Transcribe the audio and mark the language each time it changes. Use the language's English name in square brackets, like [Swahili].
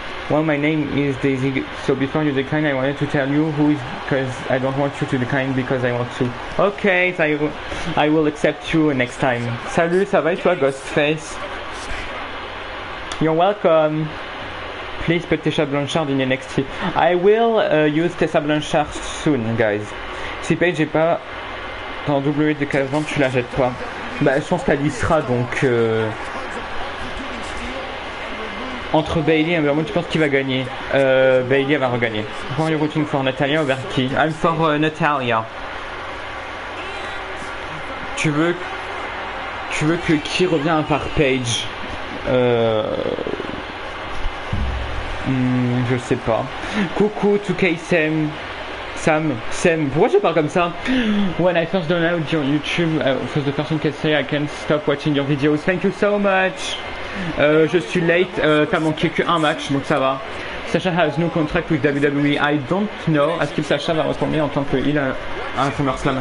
[English] Well, my name is Daisy. So before you decline, I wanted to tell you who is, because I don't want you to decline because I want to. Okay, I will accept you next time. [French] Salut, ça va et toi, Ghostface? [English] You're welcome. Please put Tessa Blanchard in your next tweet. I will use Tessa Blanchard soon, guys. [French] Si Paige n'est pas en WWE 2K20, tu la jettes pas. Bah, je pense qu'elle y sera, donc... Entre Bailey et Emberman, tu penses qui va gagner? Bailey va regagner. [English] Who are you rooting for, Natalia [French] ou vers qui? [English] I'm for Natalia. [French] Tu veux que qui revient par Paige? Je sais pas. Coucou, 2K Sam. Sam, Sam, pourquoi je parle comme ça? [English] When I first downloaded your YouTube, for the person can say I can't stop watching your videos. Thank you so much. [French] Je suis late, t'as manqué qu'un match, donc ça va. [English] Sasha has no contract with WWE. I don't know. [French] Est-ce que Sasha va retourner en tant que heel à SummerSlam?